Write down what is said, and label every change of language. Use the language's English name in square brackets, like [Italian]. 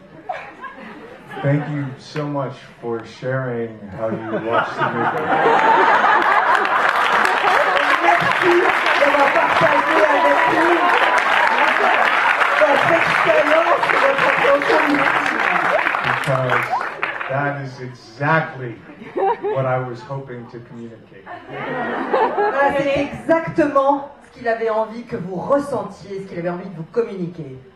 [English] So, totally the opposite of what you were saying, but, you know. Thank you so much for sharing how you watched the movie. [French] Merci d'avoir partagé avec nous votre expérience et votre compréhension. [English] Because that is exactly what I was hoping to communicate. [French] C'est exactement qu'il avait envie que vous ressentiez, ce qu'il avait envie de vous communiquer.